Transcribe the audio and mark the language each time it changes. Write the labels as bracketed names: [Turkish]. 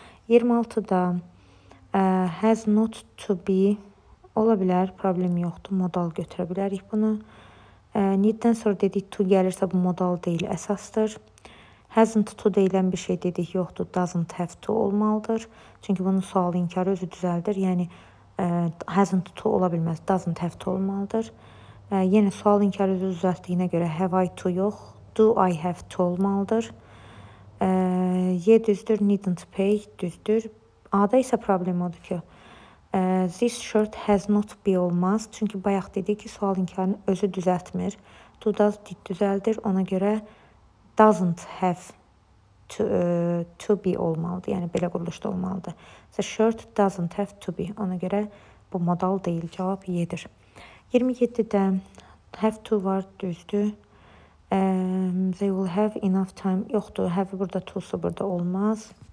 [Azerbaijani] 26-da has not to be ola bilər, problem yoxdur, modal götürə bilərik bunu. Need-dən sonra dedik to gəlirsə bu modal deyil, əsasdır. Hasn't to deyilən bir şey dedik yoxdur, doesn't have to olmalıdır. Çünki bunun sual inkarı özü düzəldir, yəni hasn't to ola bilməz, doesn't have to olmalıdır. Yenə sual inkarı özü düzəltdiyinə görə have I to yox, do I have to olmalıdır. Y düzdür, needn't pay düzdür. A-da isə problem odur ki, this shirt has not be olmaz. Çünki bayaq dedik ki, sual inkarını özü düzəltmir. Do does did düzəldir. Ona görə doesn't have to be olmalıdır. Yəni belə quruluşda olmalıdır. [English] The shirt doesn't have to be. [Azerbaijani] Ona görə bu modal deyil. Cavab yedir. 27-də have to var düzdür. [English] They will have enough time. [Azerbaijani] Yoxdur. Have burada to-su burada olmaz.